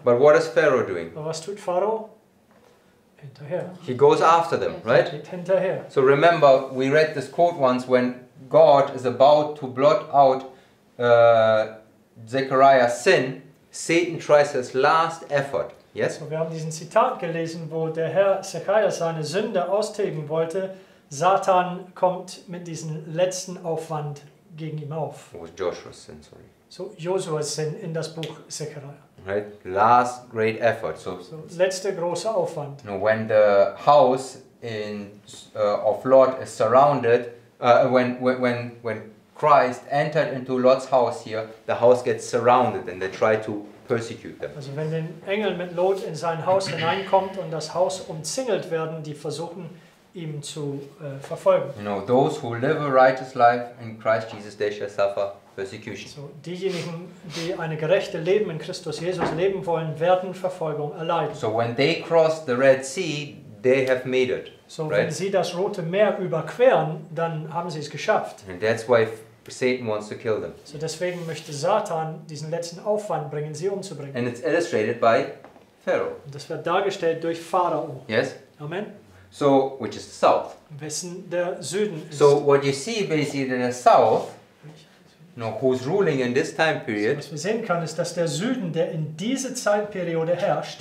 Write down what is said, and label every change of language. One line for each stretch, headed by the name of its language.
English: But what is Pharaoh doing?
German: Aber was tut Pharaoh? Hinterher.
English: He goes after them, right?
German: Hinterher.
English: So remember, we read this quote once when God is about to blot out Zechariah's sin, Satan tries his last effort. Yes?
German: So wir haben diesen Zitat gelesen, wo der Herr Zechariah seine Sünde austilgen wollte. Satan kommt mit diesem letzten Aufwand gegen ihn auf.
English: Was Joshua's sin, sorry.
German: So
English: Joshua's sin
German: in das Buch Zechariah.
English: Right, last great effort. So,
German: so letzter großer Aufwand.
English: You know, when the house in of Lot is surrounded, when Christ entered into Lot's house here, the house gets surrounded and they try to persecute them.
German: Also wenn der Engel mit Lot in sein Haus hineinkommt und das Haus umzingelt werden, die versuchen ihm zu verfolgen.
English: You know, those who live a righteous life in Christ Jesus, they shall suffer persecution.
German: So diejenigen, die eine gerechte Leben in Christus Jesus leben wollen, werden Verfolgung erleiden.
English: So when they cross the Red Sea, they have made it. So right?
German: Wenn sie das Rote Meer überqueren, dann haben sie es geschafft.
English: And that's why Satan wants to kill them.
German: So deswegen möchte Satan diesen letzten Aufwand bringen, sie umzubringen.
English: And it's illustrated by Pharaoh.
German: Und das wird dargestellt durch Pharao.
English: Yes. Amen. So which is the south?
German: Wessen der Süden ist.
English: So what you see basically in the south, you know, who's ruling in this time period?
German: So, was wir sehen können, ist, dass der Süden, der in diese Zeitperiode herrscht.